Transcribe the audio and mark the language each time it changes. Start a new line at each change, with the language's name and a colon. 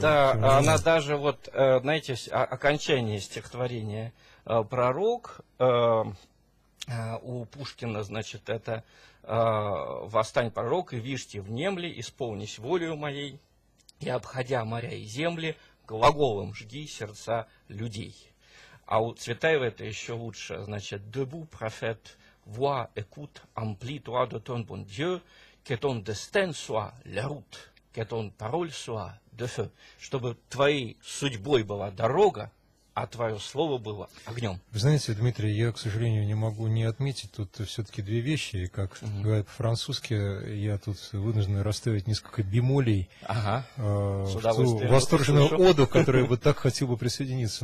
Russian: да, она даже, вот, знаете, окончание стихотворения «Пророк», у Пушкина, значит, это «Восстань, пророк, и вижте, внемли, исполнись волею моей, и, обходя моря и земли, глаголом жги сердца людей». А у Цветаева это еще лучше, значит,
French: «Debout, prophète, voix, écoute, amplie-toi de ton bon Dieu, que ton destin soit la route, que ton parole soit de feu».
Russian: Чтобы твоей судьбой была дорога, а твое слово было огнем. Вы знаете, Дмитрий, я, к сожалению, не могу не отметить тут все-таки две вещи. Как говорят по-французски, я тут вынужден расставить несколько бемолей в ту восторженную оду, которую я бы так хотел бы присоединиться.